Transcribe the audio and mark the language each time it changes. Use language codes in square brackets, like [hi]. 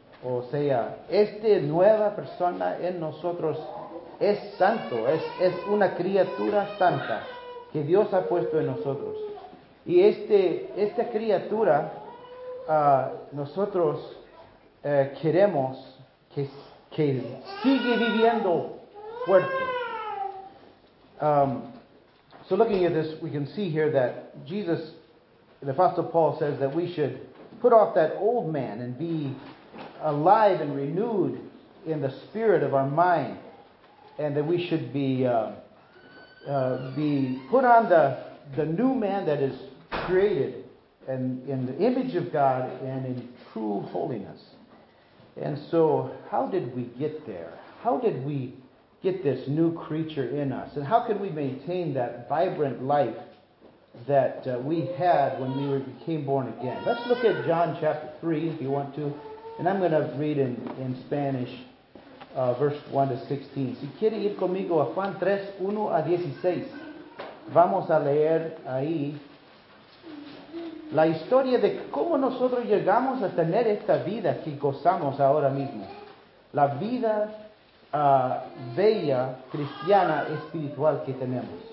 [es] O sea, esta nueva persona en nosotros es santo, es una criatura santa que Dios ha puesto en nosotros. Y esta criatura, nosotros queremos que sigue viviendo fuerte. [en] So looking at this, we can see here that Jesus, the Apostle Paul says that we should put off that old man and be alive and renewed in the spirit of our mind, and that we should be put on the new man that is created and in the image of God and in true holiness. And so how did we get there? How did we get this new creature in us? And how can we maintain that vibrant life that we had when we became born again? Let's look at John chapter 3 if you want to. And I'm going to read in Spanish verse 1 to 16. [es] Si quiere ir conmigo a Juan 3, 1 a 16. Vamos a leer ahí la historia de cómo nosotros llegamos a tener esta vida que gozamos ahora mismo. La vida bella cristiana espiritual que tenemos.